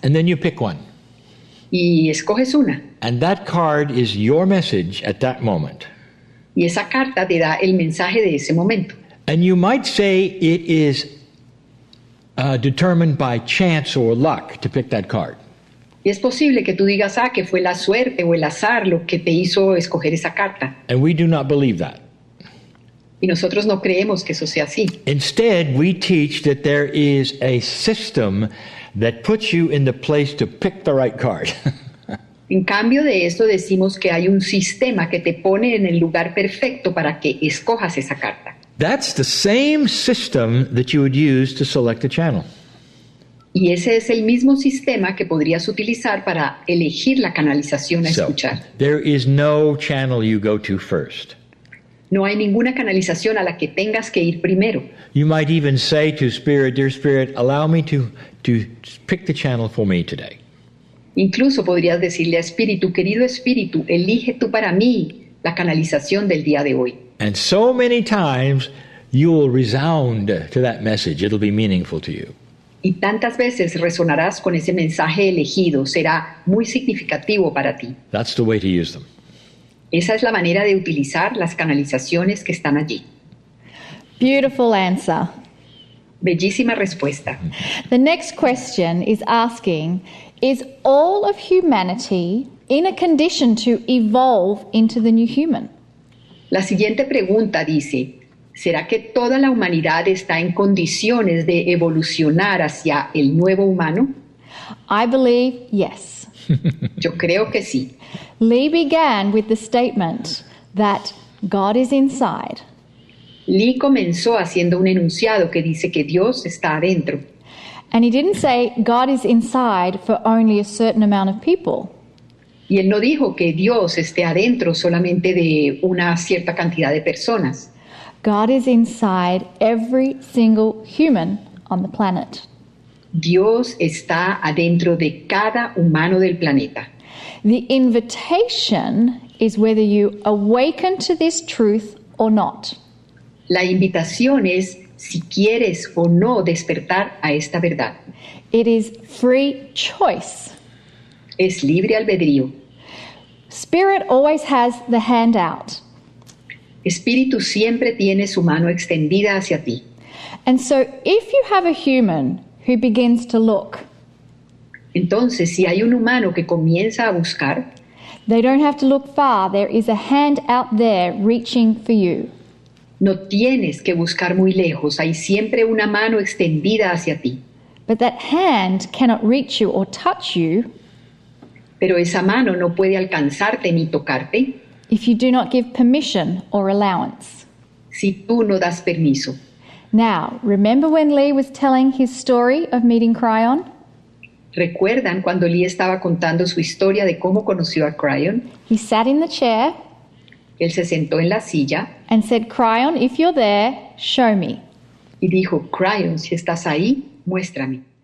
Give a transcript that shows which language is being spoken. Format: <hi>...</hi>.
<en>And then you pick one.</en> <es>Y escoges una.</es> <en>And that card is your message at that moment.</en> <es>Y esa carta te da el mensaje de ese momento.</es> <en>And you might say it is determined by chance or luck to pick that card.</en> <es>Y es posible que tú digas, que fue la suerte o el azar lo que te hizo escoger esa carta.</es> <en>And we do not believe that.</en> <es>Y nosotros no creemos que eso sea así.</es> <en>Instead, we teach that there is a system that puts you in the place to pick the right card.</en> <es>En cambio de esto, decimos que hay un sistema que te pone en el lugar perfecto para que escojas esa carta.</es> <en>That's the same system that you would use to select a channel.</en> <es>Y ese es el mismo sistema que podrías utilizar para elegir la canalización a escuchar.</es> <en>There is no channel you go to first.</en> <es>No hay ninguna canalización a la que tengas que ir primero.</es> <en>You might even say to Spirit, dear Spirit, allow me to pick the channel for me today.</en> <es>Incluso podrías decirle a Espíritu, querido Espíritu, elige tú para mí la canalización del día de hoy.</es> <en>And so many times you will resound to that message. It'll be meaningful to you.</en> <es>Y tantas veces resonarás con ese mensaje elegido. Será muy significativo para ti.</es> <en>That's the way to use them.</en> <es>Esa es la manera de utilizar las canalizaciones que están allí.</es> <en>Beautiful answer.</en> <es>Bellísima respuesta.</es> <en>The next question is asking, is all of humanity in a condition to evolve into the new human?</en> <es>La siguiente pregunta dice, ¿será que toda la humanidad está en condiciones de evolucionar hacia el nuevo humano?</es> <en>I believe yes.</en> <es>Yo creo que sí.</es> <en>Lee began with the statement that God is inside.</en> <es>Lee comenzó haciendo un enunciado que dice que Dios está adentro.</es> <en>And he didn't say God is inside for only a certain amount of people.</en> <es>Y él no dijo que Dios esté adentro solamente de una cierta cantidad de personas.</es> <en>God is inside every single human on the planet.</en> <es>Dios está adentro de cada humano del planeta.</es> <en>The invitation is whether you awaken to this truth or not.</en> <es>La invitación es si quieres o no despertar a esta verdad.</es> <en>It is free choice.</en> <es>Es libre albedrío.</es> <en>Spirit always has the hand out.</en> <es>Espíritu siempre tiene su mano extendida hacia ti.</es> <en>And so if you have a human who begins to look,</en> <es>entonces, si hay un humano que comienza a buscar,</es> <en>they don't have to look far. There is a hand out there reaching for you.</en> <es>No tienes que buscar muy lejos. Hay siempre una mano extendida hacia ti.</es> <en>But that hand cannot reach you or touch you.</en> <es>Pero esa mano no puede alcanzarte ni tocarte.</es> <en>If you do not give permission or allowance.</en> <es>Si tú no das permiso.</es> <en>Now, remember when Lee was telling his story of meeting Kryon?</en> <es>¿Recuerdan cuando Lee estaba contando su historia de cómo conoció a Kryon?</es> <en>He sat in the chair.</en> <es>Él se sentó en la silla.</es> <en>And said, Kryon, if you're there, show me.</en> <es>Y dijo, Kryon, si estás ahí, muéstrame.</es>